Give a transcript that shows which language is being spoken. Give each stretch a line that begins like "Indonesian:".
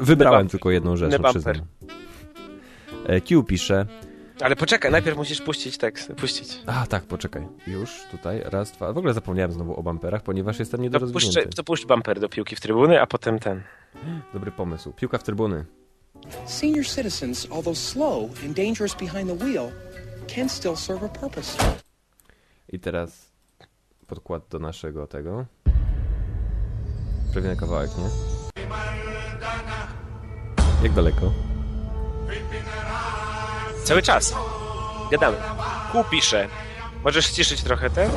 Polish: Wybrałem tylko jedną rzecz, przyznam. Q pisze... Ale poczekaj, najpierw musisz puścić tekst. Puścić. A tak, poczekaj. Już tutaj, raz, dwa. W ogóle zapomniałem znowu o bumperach, ponieważ jestem niedorozwinięty. To puść bumper do piłki w trybuny, a potem ten. Dobry pomysł. Piłka w trybuny.
English: Senior citizens, although slow and dangerous behind the wheel, can still serve a purpose.
Polish: I teraz podkład do naszego tego. Prawie na kawałek, nie? Jak daleko? Cały czas. Gadamy. Kół pisze. Możesz ściszyć trochę te?